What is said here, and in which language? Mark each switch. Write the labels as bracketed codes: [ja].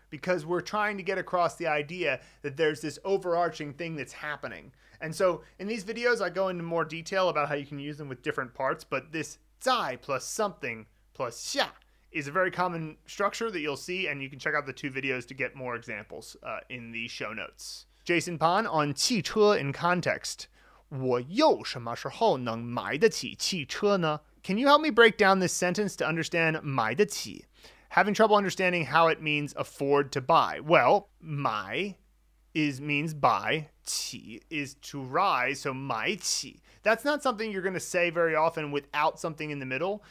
[en] because we're trying to get across the idea that there's this overarching thing that's happening. And so in these videos, I go into more detail about how you can use them with different parts, but this zai plus something plus xia is a very common structure that you'll see, and you can check out the two videos to get more examples in the show notes. Jason Pan on 汽车 in context. [zh] 我有什么时候能买得起汽车呢? [en] Can you help me break down this sentence to understand 买得起? Having trouble understanding how it means afford to buy. Well, 买 means buy, 起 is to rise, so 买起. That's not something you're going to say very often without something in the middle.